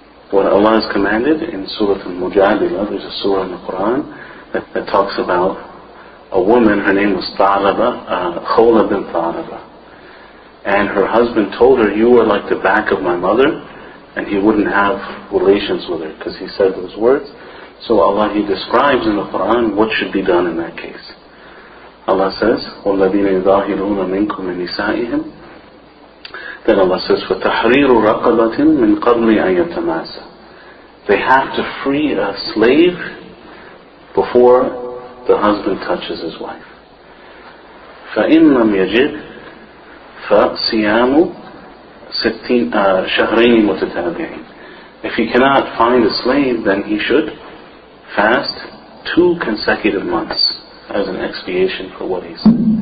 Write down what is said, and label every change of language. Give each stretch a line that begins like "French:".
English: What Allah has commanded in Surah Al-Mujadilah, there's a surah in the Quran that talks about a woman, her name was Khawla bin Thalaba. And her husband told her, you are like the back of my mother, and he wouldn't have relations with her because he said those words. So Allah, he describes in the Quran what should be done in that case. Allah says,
Arabic: وَالَّذِينَ يُظَاهِرُونَ مِنْكُمْ مِنْ نِسَائِهِمْ.
English: Then Allah says,
Arabic: فَتَحْرِيرُ رَقَبَةٍ مِنْ قَبْلِ أَنْ يَتَمَاسَ.
English: They have to free a slave before the husband touches his wife.
Arabic: فَإِنْ لَمْ يَجِدْ فَصِيَامُ شَهْرَيْنِ مُتَتَابِعِينَ.
English: If he cannot find a slave, then he should fast 2 consecutive months as an expiation for what he said.